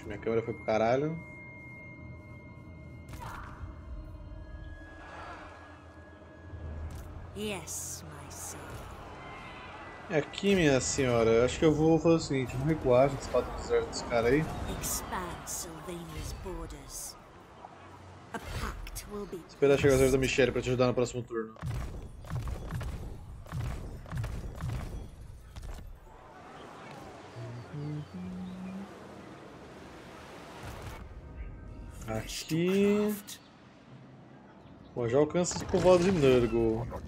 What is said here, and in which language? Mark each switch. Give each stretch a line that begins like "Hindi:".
Portuguese: eu, minha câmera foi pro caralho.
English: Yes, my son.
Portuguese: É aqui, minha senhora. Acho que eu vou fazer o seguinte, vamos recuar, a gente pode fazer esse cara aí.
English: Expand Sylvania's borders. A pact will be.
Portuguese: Espera chegar as horas da Michelle pra te ajudar no próximo turno. Aqui. Bom, já alcança os povoados de Nurgle.